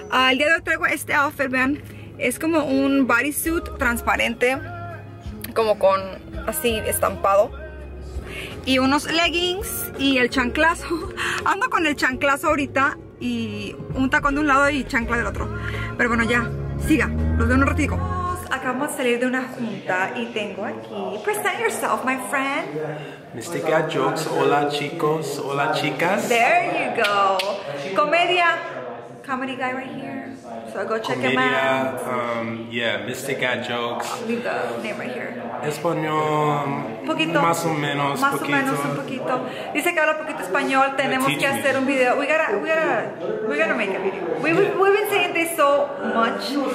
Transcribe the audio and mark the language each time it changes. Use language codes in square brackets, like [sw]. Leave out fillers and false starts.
[es] El día de hoy traigo este outfit, vean. Es como un bodysuit transparente, como con así estampado. Y unos leggings y el chanclazo. Ando con el chanclazo ahorita y un tacón de un lado y chancla del otro. Pero bueno, ya, siga, los veo en un ratito. Acabamos de salir de una junta y tengo aquí. [en] Present yourself, my friend. [es] Mystica Jokes, hola chicos, hola chicas. [en] There you go. Comedia. Comedy guy right here. So go check [es] Comedia, [en] him out. Yeah, Mystica Jokes. Leave the name right here. [es] Español, poquito, más o menos, más poquito. O menos un poquito. Dice que habla poquito español. Tenemos que hacer un video. [en] We gotta make a video. We've been saying this so much.